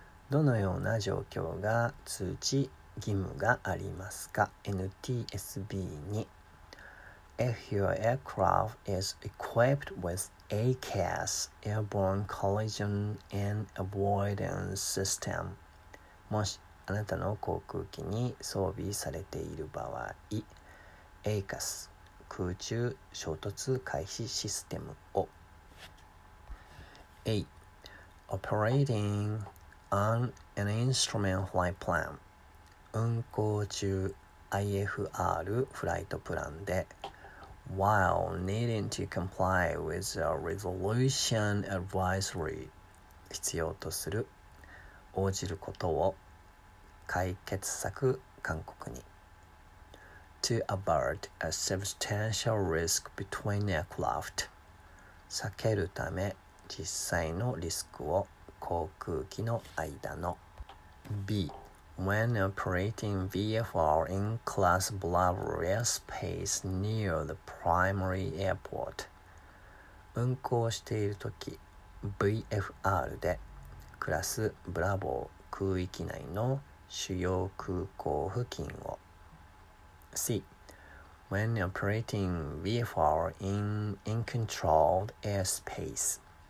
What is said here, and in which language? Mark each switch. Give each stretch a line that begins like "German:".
Japanese: どのような状況が通知義務がありますか ?NTSB に。
English: If your aircraft is equipped with ACAS, Airborne Collision and Avoidance System,
Japanese: もしあなたの航空機に装備されている場合、ACAS、空中衝突回避システムを。
English: A. Operating on an instrument flight plan.
Japanese: 運航中 IFR フライトプランで、
English: While needing to comply with a resolution advisory,
Japanese: 必要とする、応じることを、解決策勧告に。
English: To avert a substantial risk between aircraft,
Japanese: 避けるため、実際のリスクを、航空機の間の。
English: B. When operating VFR in class Bravo airspace near the primary airport,
Japanese: 運航しているとき、VFR で、クラスブラボー空域内の主要空港付近を。
English: C. When operating VFR in uncontrolled airspace,